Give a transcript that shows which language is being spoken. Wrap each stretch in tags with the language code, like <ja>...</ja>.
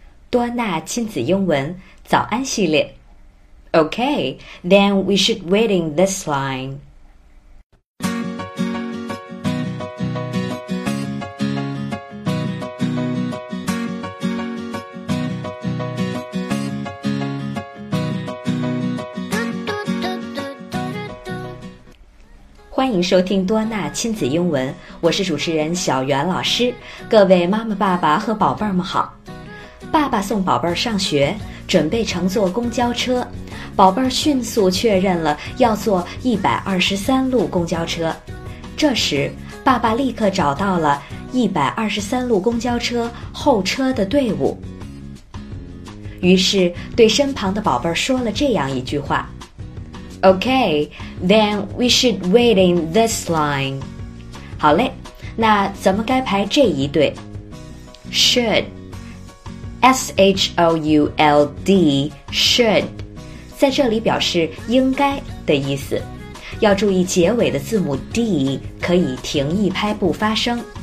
<zh>多纳亲子英文早安系列。</zh> <en>Okay, then we should read in this line.</en> <zh>欢迎收听多纳亲子英文，我是主持人小袁老师。各位妈妈爸爸和宝贝儿们好，爸爸送宝贝儿上学，准备乘坐公交车，宝贝儿迅速确认了要坐123路公交车。这时爸爸立刻找到了123路公交车候车的队伍，于是对身旁的宝贝儿说了这样一句话。</zh> <en>Okay, then we should wait in this line.</en> <zh>好嘞，那咱们该排这一队。 Should, S-H-O-U-L-D, should, 在这里表示应该的意思。要注意结尾的字母 D 可以停一拍不发声。</zh>